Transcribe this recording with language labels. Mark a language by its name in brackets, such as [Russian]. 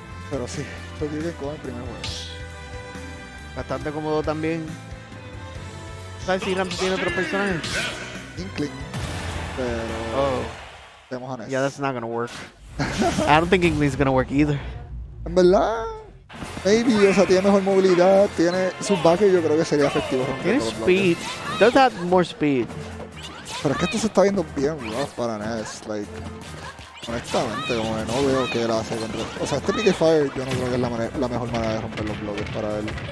[Spanish] Pero sí, Chokyuken con el primer juego. Bastante cómodo también. ¿Sabes si Ramsa tiene otro personaje? Inkling. Pero. Oh. Seamos honestos. [English] Yeah, that's not gonna work. I don't think Inkling's gonna work either. [Spanish] En verdad. Maybe, o sea, tiene mejor movilidad. Tiene sus backers, yo creo que sería efectivo. Tiene [English] speed. Does have more speed. [Spanish] Pero es que esto se está viendo bien rough para NES. Like. Honestamente, como que no veo qué él hace contra. O sea, este Mickey Fire yo no creo que es la mejor manera de romper los bloques para él.